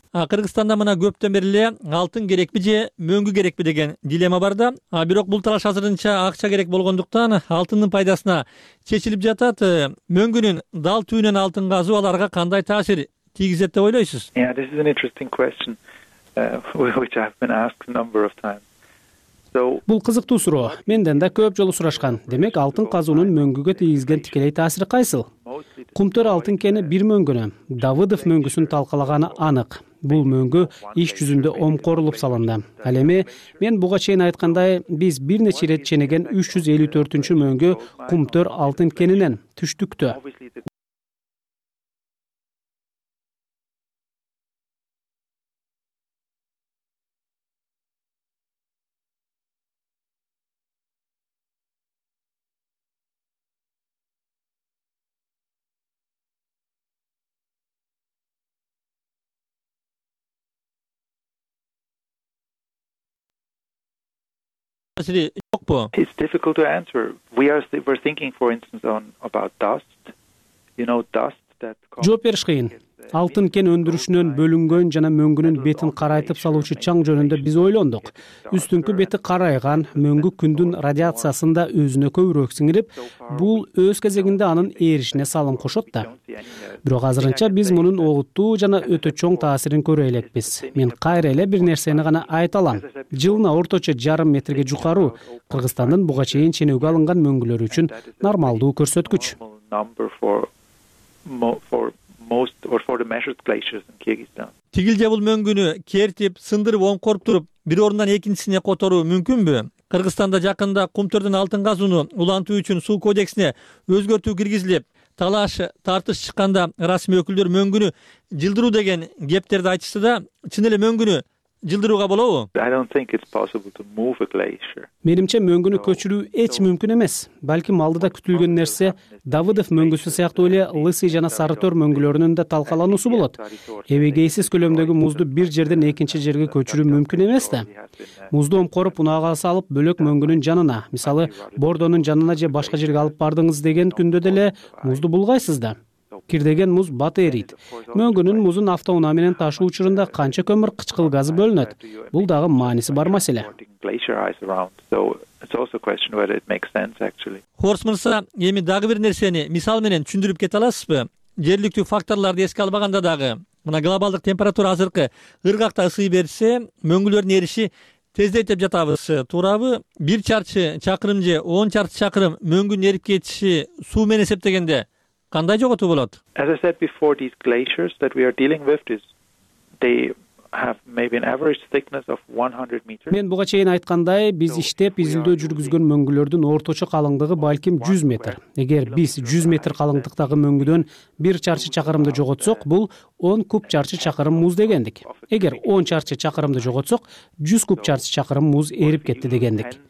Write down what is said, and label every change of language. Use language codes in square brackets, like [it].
[ky] Кыргызстанда мына көптөн бери эле алтын керекпи же мөңгү керекпи деген дилемма бар да. Бирок бул талаш азырынча акча керек болгондуктан алтындын пайдасына чечилип жатат. Мөңгүнүн дал түйүнөн алтын казуу аларга кандай таасир тийгизет деп ойлойсуз? [en] Yeah, this is an interesting question which I've been asked a number of times. [ky] Бул кызыктуу суроо. Менден да көп жолу сурашкан. Демек, алтын казуунун мөңгүгө тийгизген тикелей таасири кайсыл? Кумтөр алтын кени бир мөңгүнө Давыдов мөңгүсүн талкалаганы анык. Бул мөңгү иш жүзүндө омкорулуп салынды. Ал эми мен буга чейин айткандай, биз бир нече ирет ченеген 354-чү мөңгү кумтөр алтын кенинен түштүктө. [en] It's difficult to answer. We're thinking, for instance, about dust. You know, dust that's... [ky] Жооп бериш кыйын. Алтын кен өндүрүшүнөн бөлүнгөн жана мөңгүнүн бетин карайтып салуучу чаң жөнүндө биз ойлондук. Үстүңкү бети карайган, мөңгү күндүн радиациясында өзүнө көбүрөөк сиңирип, бул өз кезегинде анын ээришине салым кошот да. Бирок азырынча биз мунун огуттуу жана өтө чоң таасирин көрө элекпиз. Мен кайра эле бир нерсени гана айта алам. Жылына орточо 0.5 метрге жукару Кыргызстандын буга чейин ченеуге алынган мөңгүлөрү үчүн нормалдуу көрсөткүч. [en] For the measured glaciers in Kyrgyzstan. [ky] Тигилде бул мөңгүнү кертип, сындырып, оңкорп туруп, бир орундан экинчисине которуу мүмкүнбү? Кыргызстанда жакында кумтөрдүн алтын казууну улантуу үчүн суу кодексине өзгөртүү киргизилип, талаш тартыш чыкканда расмий өкүлдөр мөңгүнү жылдыруу деген кептерди айтышты да, чын эле мөңгүнү жылдырууга болобу? [en] I don't think it's possible to move a glacier. [ky] Менимче мөңгүнү көчүрүү эч мүмкүн эмес. Балким алдыда күтүлгөн нерсе Давыдов мөңгүсү сыяктуу эле Лысый жана Сарытор мөңгүлөрүнүн да талкалануусу болот. Эбегейсиз көлөмдөгү музду бир жерден экинчи жерге көчүрүү мүмкүн эмес да. Музду омкоруп, унаага салып, бөлөк мөңгүнүн жанына, мисалы, Бордонун жанына же башка жерге алып бардыңыз деген күндө деле музду булгайсыз да. Кир деген муз бат эрийт. Мөңгүнүн музун автоунаа менен ташуу учурунда канча көмүр кычкыл газы бөлүнөт? Бул дагы мааниси бар маселе. Хорс мырза, эми дагы бир нерсени мисал менен түшүндүрүп кете аласызбы? Жерликтүү факторлорду эске албаганда дагы, мына глобалдык температура азыркы ыргакта ысый берсе, мөңгүлөрдүн эриши тездетип жатабыз. Туурабы? Бир чарчы чакырым же 10 чарчы чакырым мөңгүнүн эрип кетиши суу менен эсептегенде кандай жоготуу болот? [en] As I said before, these glaciers that we are dealing with, they [ky] Мен буга чейин айткандай, биз иштеп изилдөө жүргүзгөн мөңгүлөрдүн орточо калыңдыгы балким 100 метр. Эгер биз 100 метр калыңдыктагы мөңгүдөн 1 чарчы чакырымды жоготсок, бул 10 куб чарчы чакырым муз дегендик. Эгер 10 чарчы чакырымды жоготсок, 100 куб чарчы чакырым муз эрип кетти дегендик.